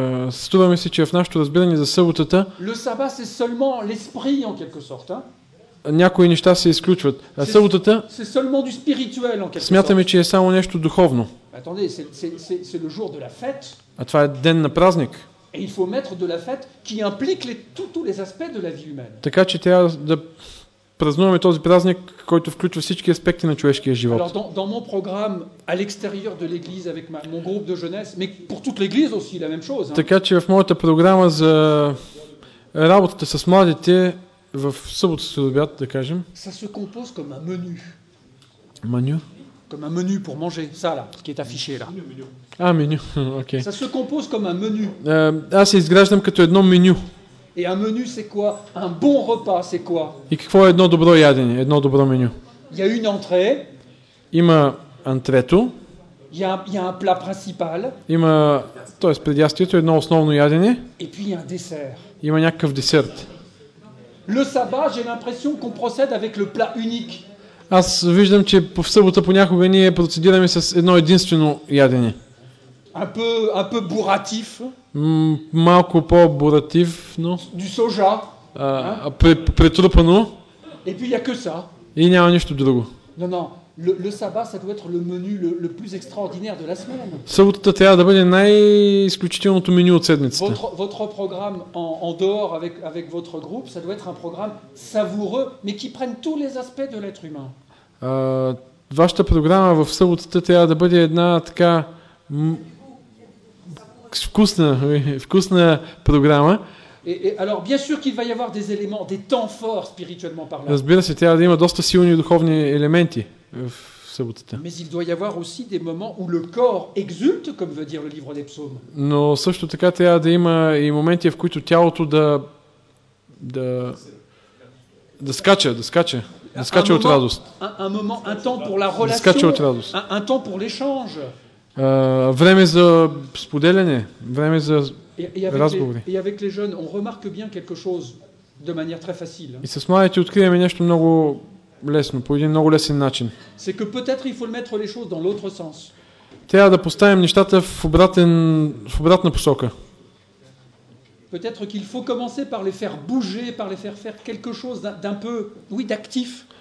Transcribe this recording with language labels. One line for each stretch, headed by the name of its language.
Bulgarian: Струва ми се, че в нашето разбиране за съботата.
French: Le sabbat c'est seulement l'esprit en quelque sorte, hein.
Bulgarian: Някои неща се изключват. А съботата?
French: C'est seulement du spirituel en quelque sorte.
Bulgarian: Смятаме, че е само нещо духовно.
French: Attendez, c'est le jour de la fête.
Bulgarian: А това е ден на празник.
French: Et il faut mettre de la fête qui implique tous les aspects de la vie humaine.
Bulgarian: Така че трябва да празнуваме този празник, който включва всички аспекти на човешкия живот.
French: Alors dans mon programme à l'extérieur de l'église avec mon groupe de jeunesse, mais pour toute l'église aussi la même chose,
Bulgarian: hein. Така че в моята програма за работата с младите в събота следобед, да кажем.
French: Ça se compose comme un menu. Menu. Comme un menu pour manger, ça là, ce qui est affiché là. Ah, menu, ok. Ça se compose comme un menu. Ça s'
Bulgarian: изгражда като едно меню.
French: Et un menu, c'est quoi? Un bon repas, c'est quoi?
Bulgarian: И какво е едно добро ядене, едно добро меню?
French: Il y a une entrée.
Bulgarian: Има антрето.
French: Il y a un plat principal.
Bulgarian: Има, т.е. предястието, едно основно ядене.
French: Et puis il y a un dessert.
Bulgarian: Има някакъв десерт.
French: Le sabbat, j'ai l'impression qu'on procède avec le plat unique.
Bulgarian: Аз виждам, че по събота понякога ние процедираме с едно единствено ядене.
French: Un peu буратив.
Bulgarian: Малко по-буратив, но.
French: Du soja.
Bulgarian: Претрупано.
French: Et puis il y a que ça.
Bulgarian: И няма нищо друго.
French: Non. Le sabbat, ça doit être le menu le plus extraordinaire de la semaine.
Bulgarian: Съботата трябва да бъде най-изключителното меню от седмицата.
French: Votre programme en dehors avec votre groupe, ça doit être un programme savoureux, mais qui prenne tous les aspects de l'être humain.
Bulgarian: Вашата програма в съботата трябва да бъде една така вкусна програма.
French: Et alors bien sûr qu'il va y avoir des éléments, des temps forts spirituellement parlant.
Bulgarian: Разбира се, трябва да има доста силни духовни елементи. съботата.
French: Mais il doit y avoir aussi des moments où le corps exulte, comme veut dire le livre des psaumes.
Bulgarian: Но също така трябва да има и моменти, в които тялото да скача от радост.
French: Un moment, un temps pour la relation. Un temps pour l'échange.
Bulgarian: Време за споделяне, време за разговори.
French: Et avec les jeunes, on remarque bien quelque chose de manière très facile.
Bulgarian: И с младите откриваме нещо много лесно, по един много лесен начин.
French: C'est que peut-être il faut mettre les choses dans l'autre sens.
Bulgarian: Трябва да поставим нещата в обратна посока.
French: Peut-être qu'il faut commencer par les faire bouger, par les faire faire quelque chose d'un peu, oui, d'actif.